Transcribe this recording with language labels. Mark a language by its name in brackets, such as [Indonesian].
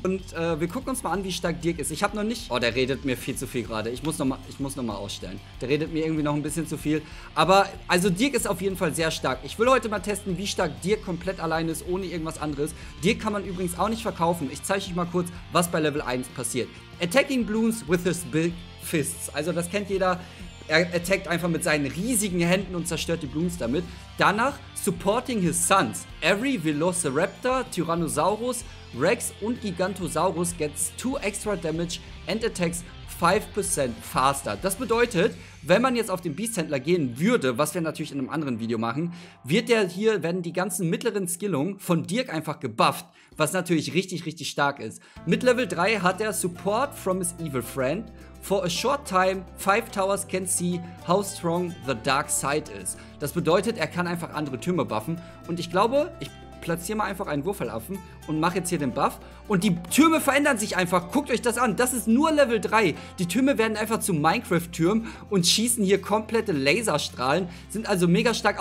[German] Und wir gucken uns mal an, wie stark Dirk ist. Ich habe noch nicht... Oh, der redet mir viel zu viel gerade. Ich muss noch mal ausstellen. Der redet mir irgendwie noch ein bisschen zu viel. Aber also Dirk ist auf jeden Fall sehr stark. Ich will heute mal testen, wie stark Dirk komplett alleine ist, ohne irgendwas anderes. Dirk kann man übrigens auch nicht verkaufen. Ich zeige euch mal kurz, was bei Level 1 passiert. [English] Attacking Bloons with his big fists. [German] Also das kennt jeder. Er attackt einfach mit seinen riesigen Händen und zerstört die Bloons damit. [English] Danach supporting his sons. Every Velociraptor, Tyrannosaurus, Rex und Gigantosaurus gets 2 extra damage and attacks 5% faster. [German] Das bedeutet, wenn man jetzt auf den Beasthändler gehen würde, was wir natürlich in einem anderen Video machen, werden die ganzen mittleren Skillungen von Dirk einfach gebufft, was natürlich richtig, richtig stark ist. Mit Level 3 hat er [English] Support from his evil friend. For a short time, 5 towers can see how strong the dark side is. [German] Das bedeutet, er kann einfach andere Türme buffen. Und ich glaube, ich platziere mal einfach einen Würfelaffen und mache jetzt hier den Buff. Und die Türme verändern sich einfach. Guckt euch das an. Das ist nur Level 3. Die Türme werden einfach zu Minecraft-Türmen und schießen hier komplette Laserstrahlen. Sind also mega stark.